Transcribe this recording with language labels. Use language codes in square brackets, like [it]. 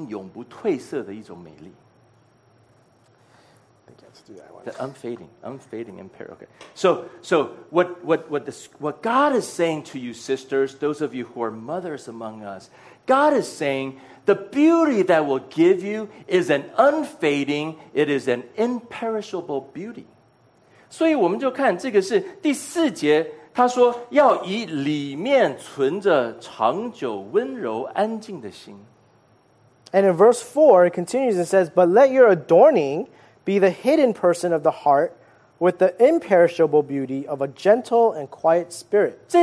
[zh] 但是神的创造是完全的美好,是完全的美丽,而这就是神赐给我们属神的姊妹们,属神的妈妈们的一种历久弥新永不褪色的一种美丽。 [en] The unfading imperial. Okay. So what God is saying to you, sisters, those of you who are mothers among us, God is saying the beauty that will give you is an unfading, it is an imperishable beauty. [zh] 所以我们就看这个是第四节，他说要以里面存着长久温柔安静的心。 [en] And in verse 4, it continues and says, but let your adorning be the hidden person of the heart with the imperishable beauty of a gentle and quiet spirit.